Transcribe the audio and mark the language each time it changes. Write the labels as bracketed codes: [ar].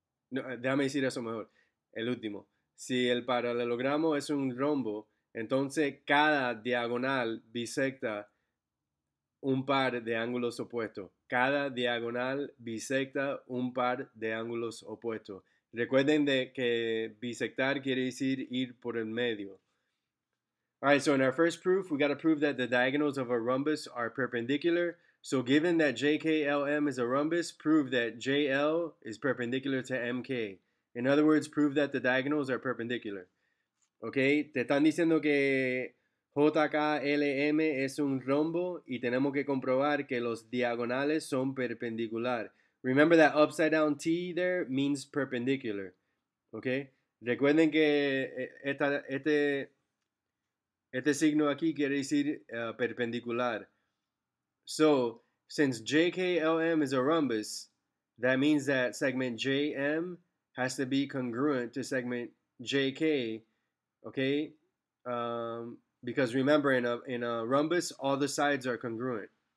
[es] No, déjame decir eso mejor. El último. Si el paralelogramo es un rombo, entonces cada diagonal bisecta un par de ángulos opuestos. Cada diagonal bisecta un par de ángulos opuestos. Recuerden de que bisectar quiere decir ir por el medio. [en] All right, so in our first proof, we got to prove that the diagonals of a rhombus are perpendicular. So given that JKLM is a rhombus, prove that JL is perpendicular to MK. In other words, prove that the diagonals are perpendicular. [es] Okay, te están diciendo que JKLM es un rombo y tenemos que comprobar que los diagonales son perpendicular. [en] Remember that upside down T there means perpendicular. [es] Okay, recuerden que este signo aquí quiere decir perpendicular. [en] So, since JKLM is a rhombus, that means that segment JM has to be congruent to segment JK, okay? Because remember, in a rhombus, all the sides are congruent.